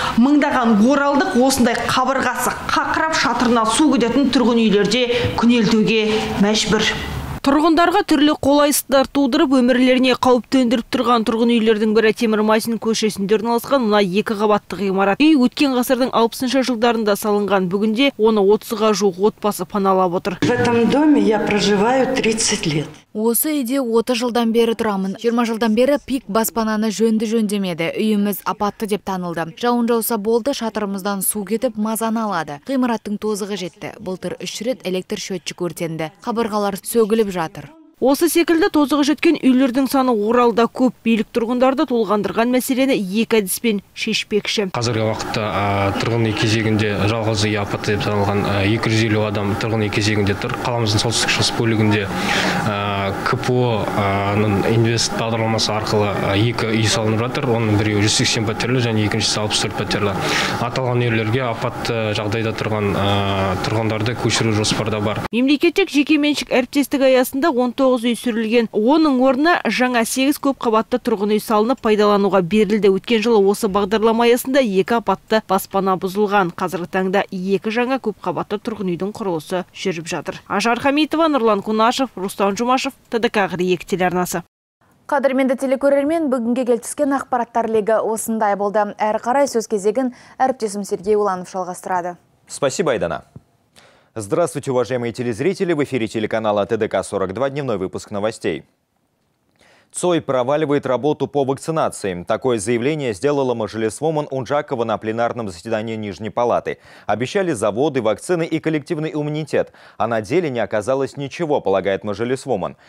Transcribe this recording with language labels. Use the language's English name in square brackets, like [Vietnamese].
[Kazakh] Мыңдаған оралдық осындай қабырғасы қақырап шатырына су кететін тұрғын үйлерде күнелтуге мәжбүр. Тұрғындарға түрлі қолайсыздықтар тудырып, өмірлеріне қауіп төндіріп тұрған тұрғын үйлердің бірі Темір Майсин көшесінде орналасқан мына екі қабатты ғимарат. Үй өткен ғасырдың 60-шы жылдарында салынған, бүгінде оны 30-ға жуық отбасы паналап отыр. [Russian] В этом доме я проживаю 30 лет. [Kazakh] Осы үйде 30 жылдан бері тұрамын. 20 жылдан бері пик баспананы жөнді жөндемеді. Үйіміз апатты деп танылды. Жауын жауса болды, шатырымыздан су кетіп, мазаны алады. Ғимараттың тозығы жетті. Былтыр 3 рет электр счетчик өртенді. Қабырғалар сөгіліп жатыр. Осы секілді тозығы жеткен үйлердің саны Оралда көп. Билік тұрғындарды толғандырған мәселені екі әдіспен шешпекші. Қазіргі уақытта тұрғын үй кезегінде жалғыз үй апатты деп танылған 250 адам тұрғын үй кезегінде тұр. Қаламыздың солтүстік шығыс бөлігінде КПО-ның инвест бағдарламасы арқылы екі үй салынып жатыр. Оның біреуі 180 пәтерлі және екіншісі 64 пәтерлі. Аталған үйлерге апатты жағдайда тұрған тұрғындарды көшіру жоспарда бар. Мемлекеттік жекеменшік әріптестік аясында 9 үй сүрілген. Оның орнына жаңа 8 көп қабатты тұрғын үй салынып пайдалануға берілді. Өткен жылы осы бағдарлама аясында 2 апатты баспана бұзылған. Қазіргі таңда 2 жаңа көп қабатты тұрғын үйдің құрылысы жүріп жатыр. Ажар Хамитова, Нұрлан Кунашев, Рустам Джумашев, ТДК 42 телеарнасы. Қадырменді телекөрермен бүгінге келтіскен ақпараттар легі осындай болды. Әр қарай сөз кезегін әріптесім Сергей Уланов жалғастырады. [Russian] Спасибо, Айдана. Здравствуйте, уважаемые телезрители. В эфире телеканала ТДК-42. Дневной выпуск новостей. ЦОЙ проваливает работу по вакцинации. Такое заявление сделала мажилисвумен Унжакова на пленарном заседании Нижней палаты. Обещали заводы, вакцины и коллективный иммунитет. А на деле не оказалось ничего, полагает мажилисвумен.